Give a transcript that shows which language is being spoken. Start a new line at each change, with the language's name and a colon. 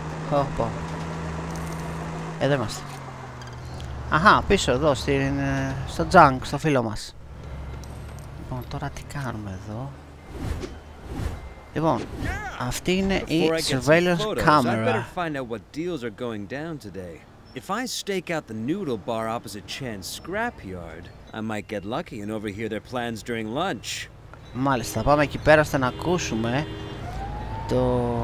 Greek: Hoppa. Εδώ είμαστε. Αχα, πίσω εδώ, στο junk, στο φίλο μας. Λοιπόν, τώρα τι κάνουμε εδώ. Λοιπόν, αυτή είναι η surveillance camera.
English: I better find out what deals are going down today. If I stake out the noodle bar opposite Chan's scrapyard, I might get lucky and overhear their plans during lunch.
Greek: Μάλιστα, πάμε εκεί πέρα ώστε να ακούσουμε το...